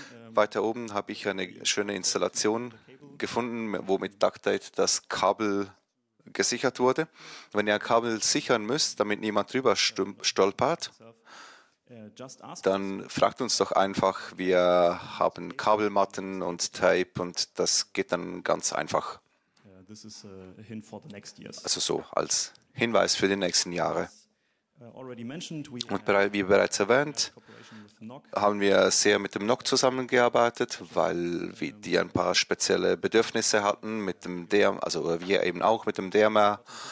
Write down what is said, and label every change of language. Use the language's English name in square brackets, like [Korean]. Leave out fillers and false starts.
[German] Weiter oben habe ich eine schöne Installation gefunden, wo mit Ducktape das Kabel gesichert wurde. Wenn ihr ein Kabel sichern müsst, damit niemand drüber stolpert, dann fragt uns doch einfach. Wir haben Kabelmatten und Tape und das geht dann ganz einfach. [English] This is a hint for the next years. [German] Also so als Hinweis für die nächsten Jahre. Und wie bereits erwähnt, haben wir sehr mit dem NOC zusammengearbeitet, weil die ein paar spezielle Bedürfnisse hatten, mit dem DM, also wir eben auch mit dem DMR.